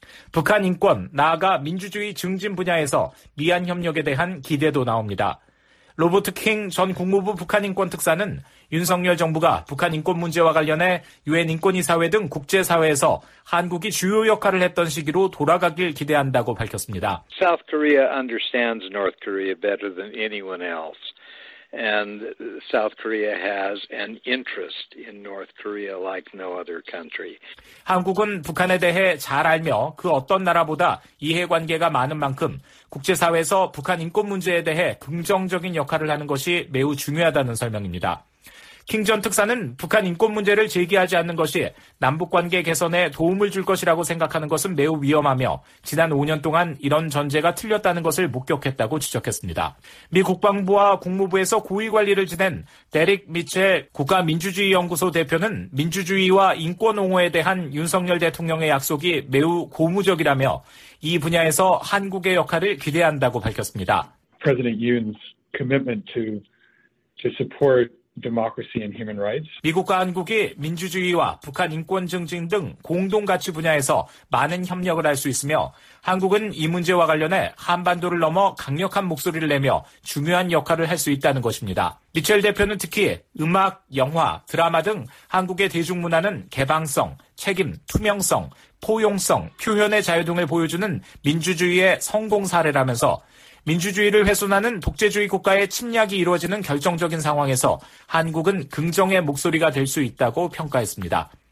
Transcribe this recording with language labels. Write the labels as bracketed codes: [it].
[ko] 북한 인권, 나아가 민주주의 증진 분야에서 미한 협력에 대한 기대도 나옵니다. 로버트 킹 전 국무부 북한인권특사는 윤석열 정부가 북한인권 문제와 관련해 유엔인권이사회 등 국제사회에서 한국이 주요 역할을 했던 시기로 돌아가길 기대한다고 밝혔습니다. [en] South Korea understands North Korea better than anyone else. And South Korea has an interest in North Korea like no other country. [ko] 한국은 북한에 대해 잘 알며 그 어떤 나라보다 이해관계가 많은 만큼 국제사회에서 북한 인권 문제에 대해 긍정적인 역할을 하는 것이 매우 중요하다는 설명입니다. 킹 전 특사는 북한 인권 문제를 제기하지 않는 것이 남북관계 개선에 도움을 줄 것이라고 생각하는 것은 매우 위험하며 지난 5년 동안 이런 전제가 틀렸다는 것을 목격했다고 지적했습니다. 미 국방부와 국무부에서 고위관리를 지낸 데릭 미첼 국가민주주의연구소 대표는 민주주의와 인권옹호에 대한 윤석열 대통령의 약속이 매우 고무적이라며 이 분야에서 한국의 역할을 기대한다고 밝혔습니다. [en] President Yoon's commitment to support Democracy and human rights. [ko] 미국과 한국이 민주주의와 북한 인권 증진 등 공동 가치 분야에서 많은 협력을 할 수 있으며 한국은 이 문제와 관련해 한반도를 넘어 강력한 목소리를 내며 중요한 역할을 할 수 있다는 것입니다. 미첼 대표는 특히 음악, 영화, 드라마 등 한국의 대중문화는 개방성, 책임, 투명성, 포용성, 표현의 자유 등을 보여주는 민주주의의 성공 사례라면서 민주주의를 훼손하는 독재주의 국가의 침략이 이루어지는 결정적인 상황에서 한국은 긍정의 목소리가 될 수 있다고 평가했습니다.